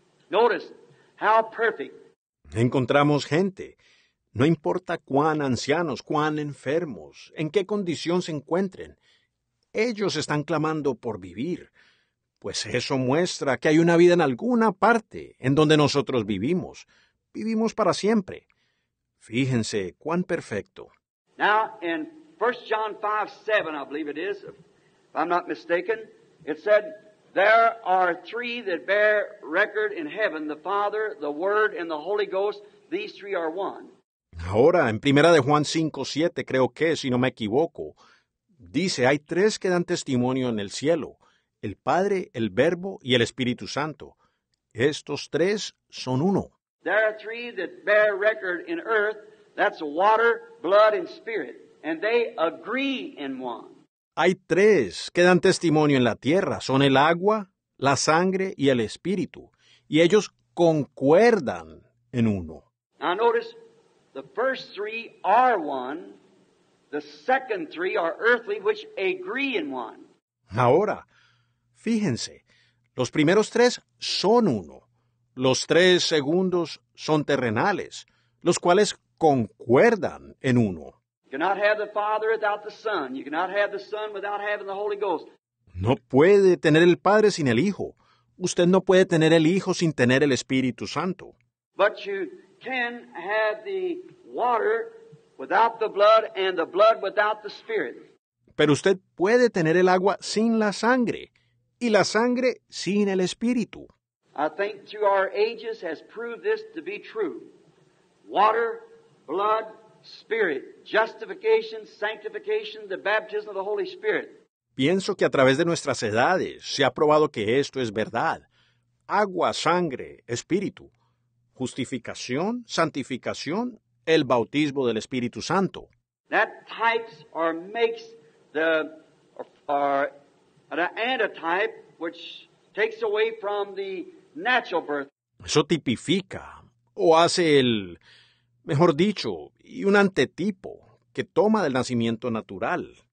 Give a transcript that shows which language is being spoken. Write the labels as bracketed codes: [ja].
[en] Notice how perfect. [es] Encontramos gente. No importa cuán ancianos, cuán enfermos, en qué condición se encuentren, ellos están clamando por vivir, pues eso muestra que hay una vida en alguna parte en donde nosotros vivimos, vivimos para siempre. Fíjense cuán perfecto. [en] Now, in 1 John 5:7, I believe it is, if I'm not mistaken, it said, there are three that bear record in heaven, the Father, the Word, and the Holy Ghost. These three are one. [es] Ahora, en 1 Juan 5:7, creo que, si no me equivoco, dice, hay tres que dan testimonio en el cielo, el Padre, el Verbo y el Espíritu Santo. Estos tres son uno. [en] There are three that bear record in earth, that's water, blood, and spirit, and they agree in one. [es] Hay tres que dan testimonio en la tierra, son el agua, la sangre y el espíritu, y ellos concuerdan en uno. [en] Now notice, the first three are one, the second three are earthly, which agree in one. [es] Ahora, fíjense, los primeros tres son uno. Los tres segundos son terrenales, los cuales concuerdan en uno. [en] You cannot have the Father without the Son. You cannot have the Son without having the Holy Ghost. [es] No puede tener el Padre sin el Hijo. Usted no puede tener el Hijo sin tener el Espíritu Santo. [en] But you can have the water without the blood and the blood without the Spirit. [es] Pero usted puede tener el agua sin la sangre y la sangre sin el Espíritu. [en] I think through our ages has proved this to be true. Water, blood, spirit, justification, sanctification, the baptism of the Holy Spirit. [es] Pienso que a través de nuestras edades se ha probado que esto es verdad. Agua, sangre, espíritu, justificación, santificación, el bautismo del Espíritu Santo. [en] That types or makes the or an antitype which takes away from the natural birth. [es] Eso tipifica o hace el, mejor dicho, y un antetipo que toma del nacimiento natural.